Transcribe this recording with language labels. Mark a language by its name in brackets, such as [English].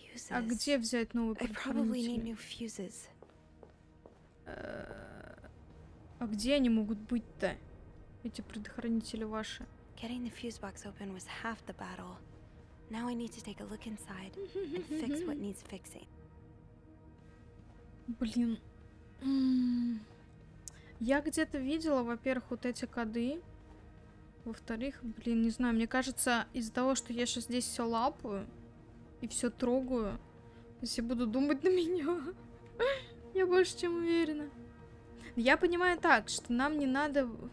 [Russian] А где взять новые предохранители? А где они могут быть-то? Эти предохранители ваши. [English] Getting the fuse box open was half the battle. Now I need to take a look inside and fix what needs fixing. [Russian] Блин. Я где-то видела, во-первых, вот эти коды. Во-вторых, блин, не знаю, мне кажется, из-за того, что я сейчас здесь все лапаю и все трогаю, если буду думать на меня, Я больше чем уверена. Я понимаю так, что нам не надо...